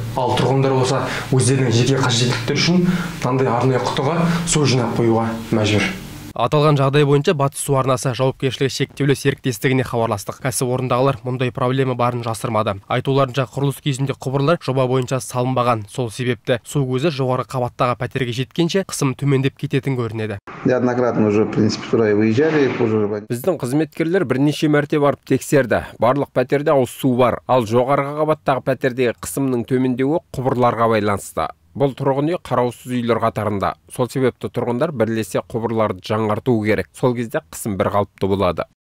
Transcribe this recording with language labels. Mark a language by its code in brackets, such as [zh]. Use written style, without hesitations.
[kk] Ал тұрғындар болса өздерінің жеке қажеттіліктері үшін мынандай арнайы құтыға су жинап қоюға мәжбүр. Аталған жағдай бойынша Батыс су арнасы жауапкершілігі шектеулі серіктестігіне хабарластық. Кәсіпорындағылар мұндай проблема барын жасырмады. Айтуларынша құрылыс кезінде құбырлар жоба бойынша салынбаған. Сол себепті су көзі жоғары қабаттағы пәтерге жеткенше қысым төмендеп кететін көрінеді. [ru] Неоднократно уже, в принципе, туда и выезжали. [kk] Біздің қызметкерлер бірнеше мәрте барып тексерді. Барлық пәтерде ауыз су бар. Ал жоғарғы қабаттағы пәтердегі қысымның төмендеуі құбырларға байланысты. Бұл тұрғын үй қараусыз үйлер қатарында. Сол себепті тұрғындар бірлесе құбырларды жаңғыртуы керек. Сол кезде қысым бір қалыпты болады.